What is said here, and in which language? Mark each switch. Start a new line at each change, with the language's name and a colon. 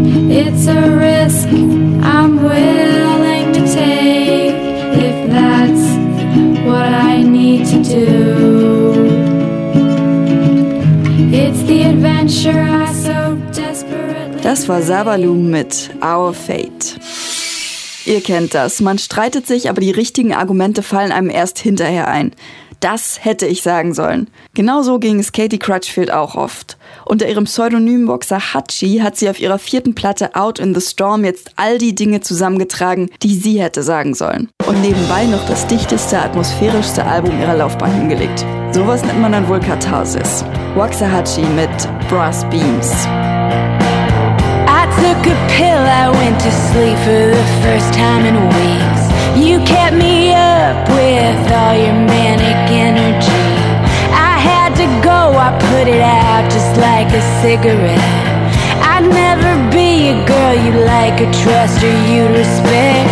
English: It's a risk I'm willing to take if that's what I need to do. It's the adventure I so desperately.
German: Das war Sabalu mit Our Fate. Ihr kennt das, man streitet sich, aber die richtigen Argumente fallen einem erst hinterher ein. Das hätte ich sagen sollen. Genauso ging es Katie Crutchfield auch oft. Unter ihrem Pseudonym-Boxer Hachi hat sie auf ihrer 4. Platte Out in the Storm jetzt all die Dinge zusammengetragen, die sie hätte sagen sollen. Und nebenbei noch das dichteste, atmosphärischste Album ihrer Laufbahn hingelegt. Sowas nennt man dann wohl Katharsis. Boxer Hachi mit Brass Beams.
English: I took a pill, I went to sleep for the first time in weeks. You kept me up with all your manic energy. I had to go, I put it out just like a cigarette. I'd never be a girl you like or trust or you respect.